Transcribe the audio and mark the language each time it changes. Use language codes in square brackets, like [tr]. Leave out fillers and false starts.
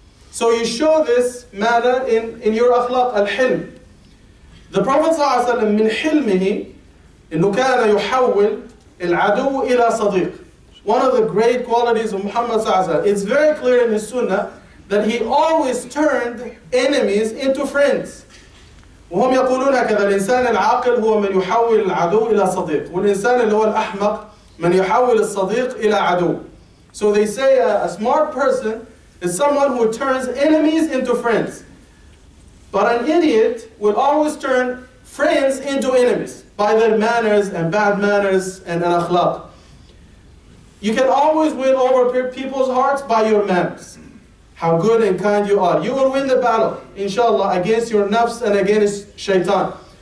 [en] So you show this matter in your akhlaq al-hilm. The Prophet [ar] sallallahu alaihi wasallam, min hilmihi, إنه كان يحول العدو إلى صديق. [en] One of the great qualities of Muhammad sallallahu alaihi wasallam. It's very clear in his sunnah that he always turned enemies into friends. [ar] وهم يقولون كذا الإنسان العاقل هو من يحول العدو إلى صديق والإنسان اللي هو الأحمق من يحول الصديق إلى عدو. [en] So they say a smart person is someone who turns enemies into friends. But an idiot will always turn friends into enemies by their manners and bad manners and al-akhlaq. You can always win over people's hearts by your manners, how good and kind you are. You will win the battle, inshallah, against your nafs and against shaitan.